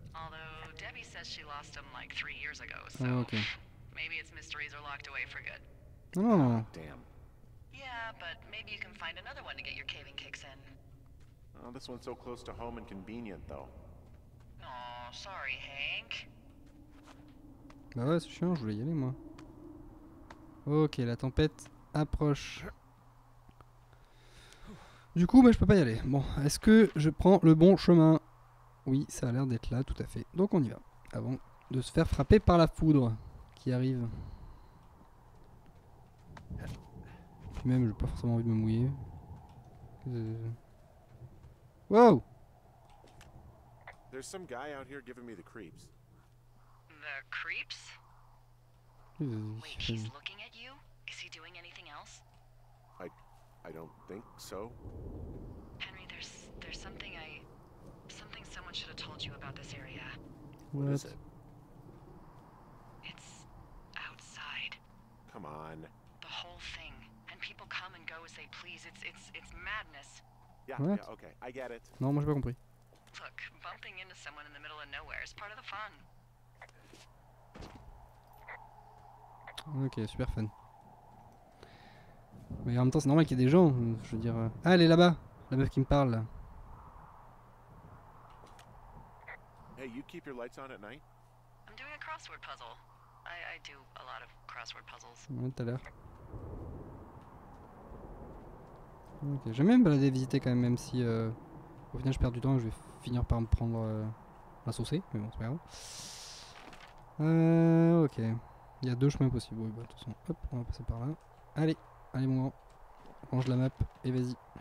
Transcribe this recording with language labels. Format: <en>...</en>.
<en>Although Debbie says she lost them like 3 years ago, so ah, okay. Maybe its mysteries are locked away for good.</en> <fr>Oh, non, non, non.</fr> <en>Damn. Yeah, but maybe you can find another one to get your caving kicks in. Oh, this one's so close to home and convenient, though. Oh, sorry, Hank.</en> <fr>Bah ouais, c'est chiant, je voulais y aller, moi. Ok, la tempête approche. Du coup, bah, je peux pas y aller. Bon, est-ce que je prends le bon chemin? Oui, ça a l'air d'être là, tout à fait. Donc on y va, avant de se faire frapper par la foudre qui arrive. Puis même, j'ai pas forcément envie de me mouiller.</fr> <en>Wow! There's some guy out here giving me the creeps. The creeps? Wait, he's looking at you? Is he doing anything else? I don't think so. Henry, there's something something someone should have told you about this area. What is it? It's outside. Come on. The whole thing. And people come and go as they please. It's madness. Yeah, yeah, okay. I get it.</en> <fr>Non, moi j'ai pas compris.</fr> <en>Look, bumping into someone in the middle of nowhere is part of the fun. Ok, super fun.</en> <fr>Mais en même temps, c'est normal qu'il y ait des gens. Je veux dire. Ah, elle est là-bas, la meuf qui me parle.</fr> <en>Hey, you keep your lights on at night? I'm doing a crossword puzzle. I do a lot of crossword puzzles.</en> <fr>Ouais, tout à l'heure. Ok, j'aime bien me balader visiter quand même, même si au final je perds du temps et je vais finir par me prendre la saucée. Mais bon, c'est pas grave. Ok. Il y a deux chemins possibles, ouais, bah, de toute façon, hop, on va passer par là. Allez, allez mon grand, range la map et vas-y.</fr>